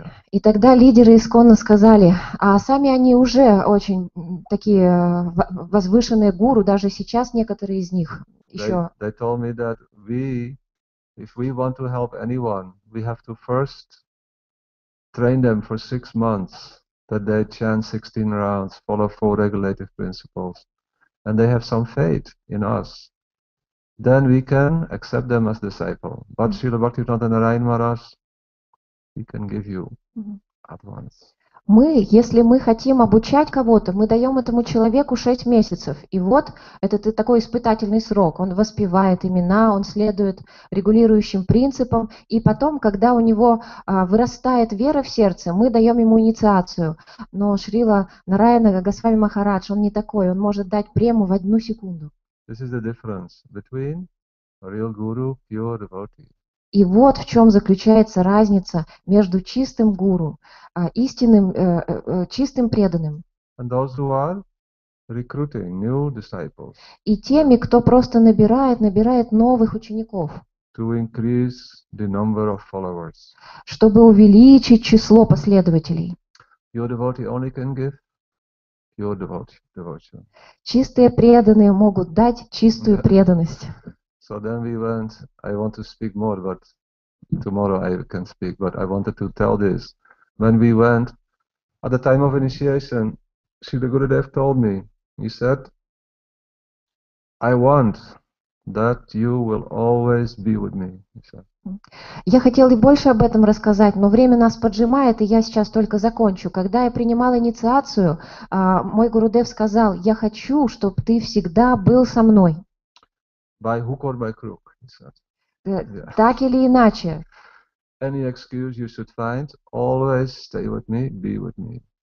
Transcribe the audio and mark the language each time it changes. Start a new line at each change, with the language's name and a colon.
Russian: И тогда лидеры ИСККОНа сказали, а сами они уже очень такие возвышенные гуру, даже сейчас некоторые из них еще.
English: They told me that we, if we want to help anyone, we have to first train them for 6 months that they chant 16 rounds, follow four regulative principles, and they have some faith in us, then we can accept them as disciple. But Srila Bhaktivedanta Narayan Maharaj, he can give you advance.
Russian: Мы, если мы хотим обучать кого-то, мы даем этому человеку 6 месяцев. И вот это такой испытательный срок. Он воспевает имена, он следует регулирующим принципам. И потом, когда у него вырастает вера в сердце, мы даем ему инициацию. Но Шрила Нараяна Госвами Махарадж, он не такой. Он может дать прему в одну секунду.
English: This is the difference between a real guru, pure devotee.
Russian: И вот в чем заключается разница между чистым гуру, истинным, чистым преданным.
English: And those who are recruiting new disciples.
Russian: И теми, кто просто набирает новых учеников.
English: To increase the number of followers.
Russian: Чтобы увеличить число последователей.
English: Your devotee only can give pure devotion.
Russian: Чистые преданные могут дать чистую преданность.
English: So then we went, I want to speak more, but tomorrow I can speak, but I wanted to tell this. When we went, at the time of initiation, Srila Gurudev told me, he said, I want that you will always be with me. He said.
Russian: Я хотел и больше об этом рассказать, но время нас поджимает, и я сейчас только закончу. Когда я принимал инициацию, мой Гурудев сказал, я хочу, чтобы ты всегда был со мной.
English: By hook or by crook, he said.
Russian: Так или иначе.
English: Any excuse you should find, always stay with me, be with me.